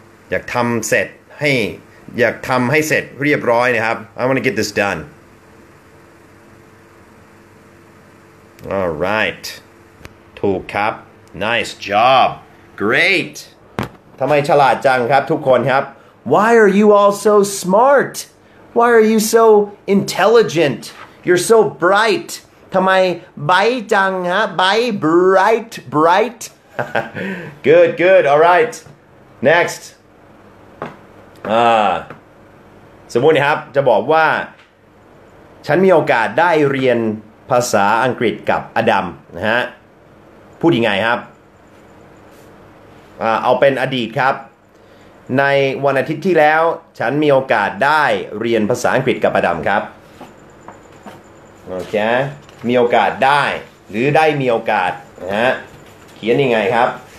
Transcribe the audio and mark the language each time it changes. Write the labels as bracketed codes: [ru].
[th] อยากทำเสร็จให้อยากทำให้เสร็จเรียบร้อยนะครับ [en] I want to get this done All right [th] ถูกครับ [en] Nice job. Great. [th] ทำไมฉลาดจังครับทุกคนครับ [en] Why are you all so smart? Why are you so intelligent? You're so bright. [th] ทำไมไบจังฮะไบ [en] bright. good. All right. Next. [th] สมมุติครับจะบอกว่าฉันมีโอกาสได้เรียนภาษาอังกฤษกับอดัมนะฮะพูดยังไงครับเอาเป็นอดีตครับในวันอาทิตย์ที่แล้วฉันมีโอกาสได้เรียนภาษาอังกฤษกับอดัมครับโอเคมีโอกาสได้หรือได้มีโอกาสนะฮะเขียนยังไงครับ